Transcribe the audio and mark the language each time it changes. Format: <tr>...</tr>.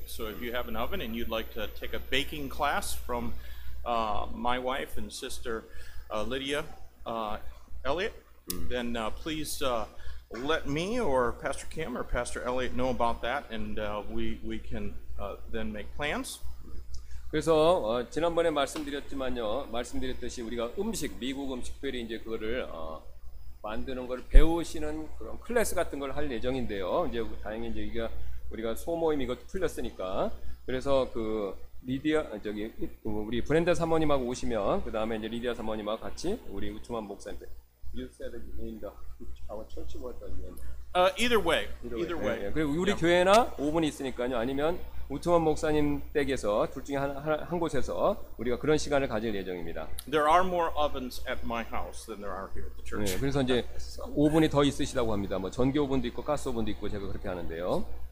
<en>So if you have an oven and you'd like to take a baking class from my wife and sister Lydia Elliott, then please let me or Pastor Kim or Pastor Elliott know about that, and we can then make plans.</en> <ko>그래서 지난번에 말씀드렸지만요, 말씀드렸듯이 우리가 음식, 미국 음식 특별히 이제 그거를 만드는 걸 배우시는 그런 클래스 같은 걸 할 예정인데요. 이제 다행히 이제 우리가 소모임 이것도 풀렸으니까. 그래서 그 리디아 저기 우리 브랜드 사모님하고 오시면 그 다음에 이제 리디아 사모님하고 같이 우리 우투만 목사님께.</ko> <en>You said you named our church was the name. Either way.</en> <ko>네, 네. 그리고 우리 yeah. 교회나 오븐이 있으니까요. 아니면 우투만 목사님 댁에서 둘 중에 한 곳에서 우리가 그런 시간을 가질 예정입니다.</ko> <en>There are more ovens at my house than there are here at the church.</en> <ko>네, 그래서 이제 오븐이 더 있으시다고 합니다. 뭐 전기 오븐도 있고 가스 오븐도 있고 제가 그렇게 하는데요.</ko>